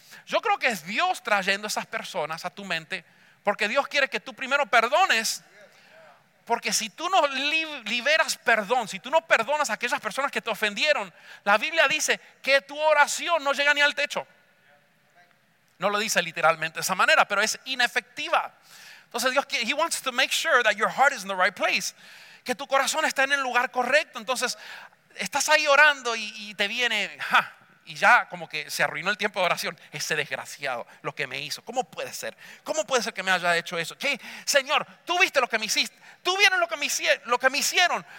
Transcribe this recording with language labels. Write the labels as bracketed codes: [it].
[es] Yo creo que es Dios trayendo esas personas a tu mente, porque Dios quiere que tú primero perdones, porque si tú no liberas perdón, si tú no perdonas a aquellas personas que te ofendieron, la Biblia dice que tu oración no llega ni al techo. No lo dice literalmente de esa manera, pero es inefectiva. Entonces Dios quiere, [en] He wants to make sure that your heart is in the right place. [es] Que tu corazón está en el lugar correcto. Entonces estás ahí orando y te viene, ja, y ya como que se arruinó el tiempo de oración. Ese desgraciado, lo que me hizo, ¿cómo puede ser? ¿Cómo puede ser que me haya hecho eso? ¿Qué? Señor, tú viste lo que me hiciste, tú vieron lo que me hicieron.